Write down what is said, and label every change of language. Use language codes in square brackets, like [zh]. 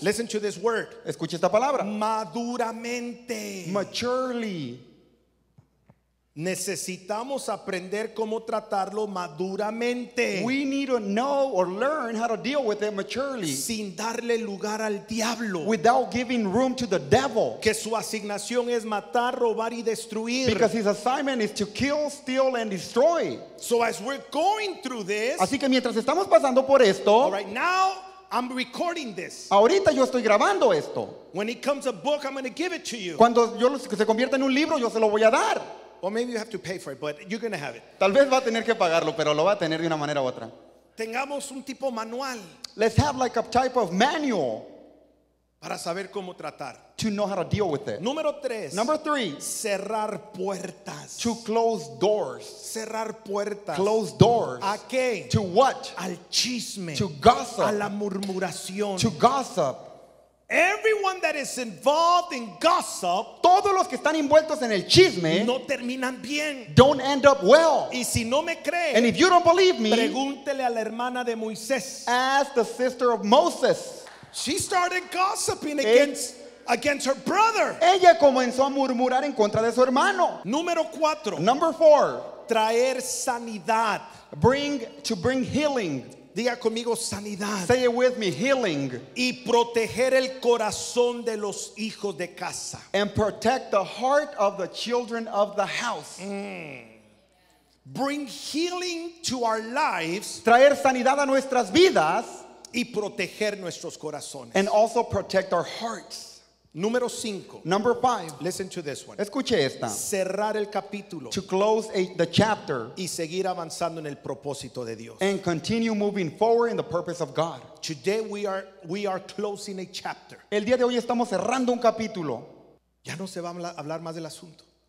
[en] Listen to this word. [es] Escuche esta palabra. Maduramente. [en] Maturely. [es] Necesitamos aprender cómo tratarlo maduramente. [en] We need to know or learn how to deal with it maturely. [es] Sin darle lugar al diablo. [en] Without giving room to the devil. [es] Que su asignación es matar, robar y destruir. [en] Because his assignment is to kill, steal and destroy. So as we're going through this. [es] Así que mientras estamos pasando por esto. [en] All right, now I'm recording this. [es] Ahorita yo estoy grabando esto. [en] When it comes a book, I'm going to give it to you. [es] Cuando yo se convierta en un libro, yo se lo voy a dar. [en] Well, maybe you have to pay for it, but you're going to have it. [es] Tal vez va a tener que pagarlo, pero lo va a tener de una manera u otra. Tengamos un tipo manual. [en] Let's have like a type of manual. [es] Para saber cómo tratar. [en] To know how to deal with it. [es] Número tres. [en] Number three. [es] Cerrar puertas. [en] To close doors. [es] Cerrar puertas. [en] Close doors. [es] ¿A qué? [en] To what? [es] Al chisme. [en] To gossip. [es] A la murmuración. [en] To gossip. Everyone that is involved in gossip, [es] todos los que están envueltos en el chisme, no terminan bien. [en] Don't end up well. [es] Y si no me cree, [en] and if you don't believe me, [es] pregúntele a la hermana de Moisés. [en] Ask the sister of Moses. She started gossiping against her brother. [es] Ella comenzó a murmurar en contra de su hermano. Número cuatro. [en] Number four. [es] Traer sanidad. [en] Bring healing. [es] Diga conmigo sanidad. [en] Say it with me, healing. [es] Y proteger el corazón de los hijos de casa. [en] And protect the heart of the children of the house. Bring healing to our lives. [es] Traer sanidad a nuestras vidas. Y proteger nuestros corazones. [en] And also protect our hearts. [es] Número cinco. [en] Number five. Listen to this one. [es] Escuche esta. Cerrar el capítulo. [en] To close the chapter. [es] Y seguir avanzando en el propósito de Dios. [en] And continue moving forward in the purpose of God. Today we are closing a chapter. [es] El día de hoy estamos cerrando un capítulo. Ya no se va a hablar más del asunto.